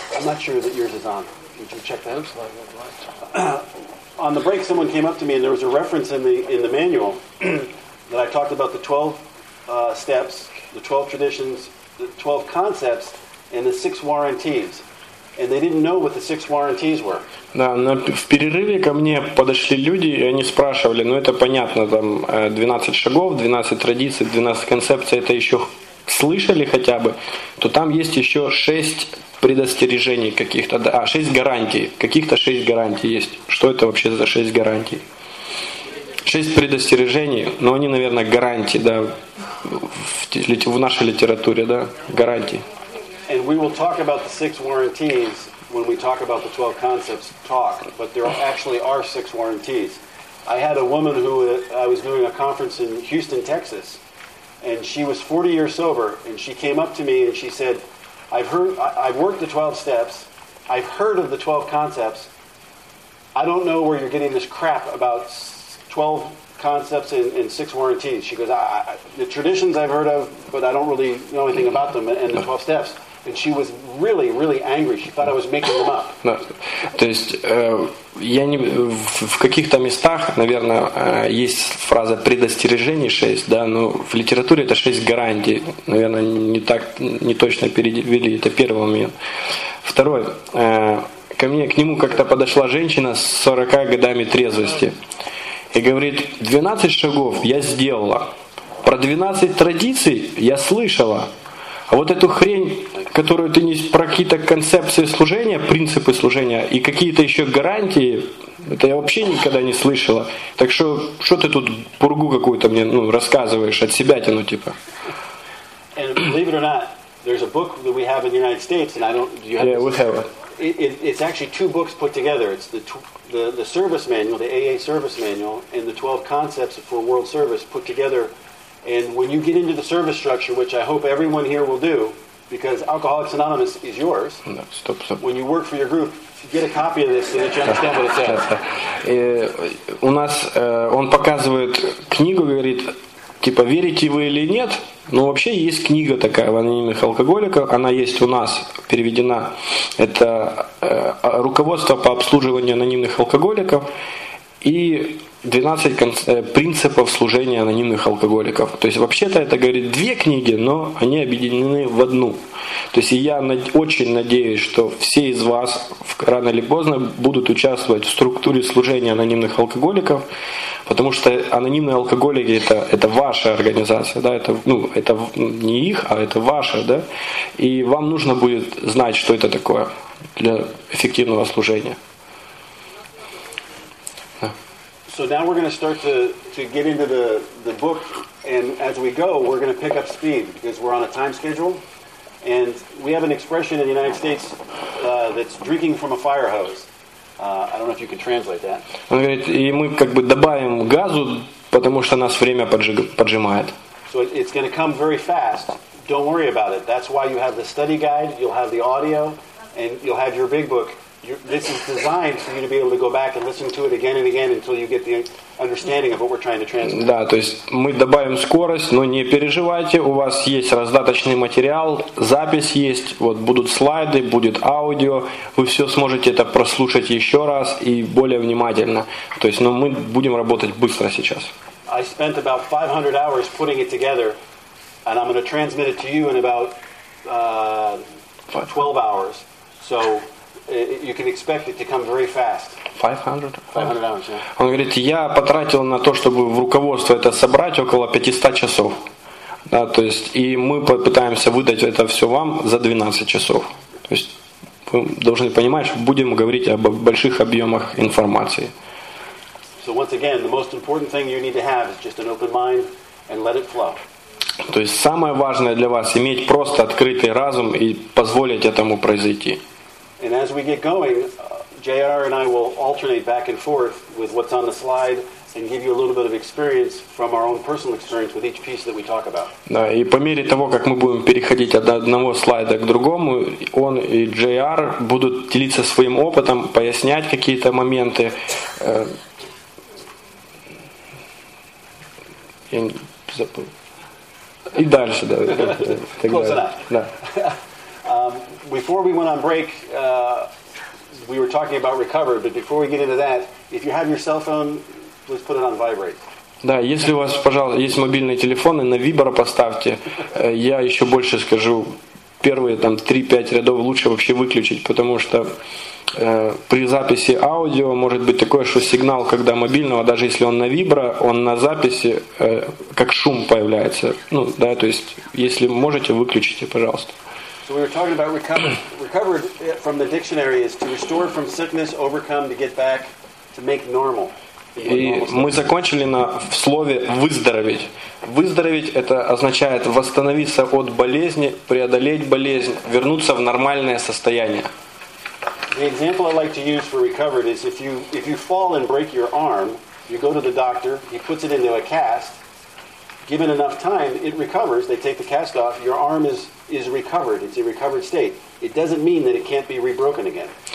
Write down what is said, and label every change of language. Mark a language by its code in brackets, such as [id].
[en] I'm not sure that yours is on. Would you check that? On the break, someone came up to me, and there was a reference in the manual that I talked about the 12 steps, the 12 traditions, the 12 concepts, and the 6 warranties. And they didn't know what the 6 warranties were. [ru] Да, в перерыве ко мне подошли люди, и они спрашивали, ну это понятно, там 12 шагов, 12 традиций, 12 концепций, это еще слышали хотя бы, то там есть еще 6 предостережений каких-то, да, 6 гарантий, каких-то 6 гарантий есть. Что это вообще за 6 гарантий? 6 предостережений, но они, наверное, гарантии, да, в нашей литературе, да, гарантии. [en] And we will talk about the six warranties when we talk about the 12 concepts talk, but there actually are six warranties. I had a woman who I was doing a conference in Houston, Texas, and she was 40 years sober, and she came up to me and she said, I've worked the 12 steps, I've heard of the 12 concepts, I don't know where you're getting this crap about 12 concepts and six warranties. She goes, the traditions I've heard of, but I don't really know anything about them and the 12 steps. And she was really, really angry. She thought I was making them up. [ru] Да. То есть я не в каких-то местах, наверное, есть фраза предостережений 6, да, но в литературе это 6 гарантий. Наверное, не так не точно перевели. Это первый момент. Второй. К нему как-то подошла женщина с 40 годами трезвости и говорит: 12 шагов я сделала. Про 12 традиций я слышала. А вот эту хрень, которую ты несешь про какие-то концепции служения, принципы служения и какие-то еще гарантии, это я вообще никогда не слышала. Так что, что ты тут пургу какую-то мне ну, рассказываешь от себя тяну, типа? [en] And believe it or not, there's a book that we have in the United States, and I don't... Do you have yeah, we have it. It's actually two books put together. It's the service manual, the AA service manual, and the 12 concepts for world service put together. And when you get into the service structure, which I hope everyone here will do, because Alcoholics Anonymous is yours. No, stop. When you work for your group, get a copy of this so that you understand what it says. [ru] У нас он показывает книгу, говорит, типа, верите вы или нет, но вообще есть книга такая в анонимных алкоголиках, она есть у нас, переведена. Это руководство по обслуживанию анонимных алкоголиков и 12 принципов служения анонимных алкоголиков. То есть вообще-то это, говорит, две книги, но они объединены в одну. То есть я очень надеюсь, что все из вас рано или поздно будут участвовать в структуре служения анонимных алкоголиков, потому что анонимные алкоголики это ваша организация, да, это не их, а это ваша, да. И вам нужно будет знать, что это такое для эффективного служения. [en] So now we're going to start to get into the book, and as we go, we're going to pick up speed because we're on a time schedule, and we have an expression in the United States that's drinking from a fire hose. I don't know if you can translate that. [ru] Он говорит, и мы как бы добавим газу, потому что нас время поджимает. [en] So it's going to come very fast. Don't worry about it. That's why you have the study guide, you'll have the audio, and you'll have your big book. This is designed for you to be able to go back and listen to it again and again until you get the understanding of what we're trying to translate. [ru] Да, то есть мы добавим скорость, но не переживайте, у вас есть раздаточный материал, запись есть, вот будут слайды, будет аудио, вы все сможете это прослушать еще раз и более внимательно. То есть, но мы будем работать быстро сейчас. [en] I spent about 500 hours putting it together, and I'm going to transmit it to you in about 12 hours. So you can expect it to come very fast. 500 hours, yeah. [ru] Он говорит, я потратил на то, чтобы в руководство это собрать около 500 часов. Да, то есть, и мы попытаемся выдать это все вам за 12 часов. То есть, вы должны понимать, что будем говорить об больших объемах информации. [en] So once again, the most important thing you need to have is just an open mind and let it flow. [ru] То есть, самое важное для вас иметь просто открытый разум и позволить этому произойти. [en] And as we get going, JR and I will alternate back and forth with what's on the slide and give you a little bit of experience from our own personal experience with each piece that we talk about. [ru] Да, и по мере того, как мы будем переходить от одного слайда к другому, он и JR будут делиться своим опытом, пояснять какие-то моменты. Я не забыл. И дальше, да. [en] Close enough. [ru] Да. [en] Before we went on break, we were talking about recovery, but before we get into that, if you have your cell phone, please put it on vibrate. [ru] Да, если у вас, пожалуйста, есть мобильные телефоны, на вибро поставьте. Я еще больше скажу, первые там 3-5 рядов лучше вообще выключить, потому что при записи аудио может быть такое, что сигнал, когда мобильного, даже если он на вибро, он на записи как шум появляется. Ну, да, то есть, если можете, выключите, пожалуйста. [en] So we were talking about recovered from the dictionary is to restore from sickness, overcome, to get back, to make normal. [ru] И мы закончили на в слове «выздороветь». Выздороветь – это означает восстановиться от болезни, преодолеть болезнь, вернуться в нормальное состояние. [en] The example I like to use for recovered is if you fall and break your arm, you go to the doctor, he puts it into a cast, given enough time, it recovers, they take the cast off, your arm is recovered, it's a recovered state. It doesn't mean that it can't be rebroken again.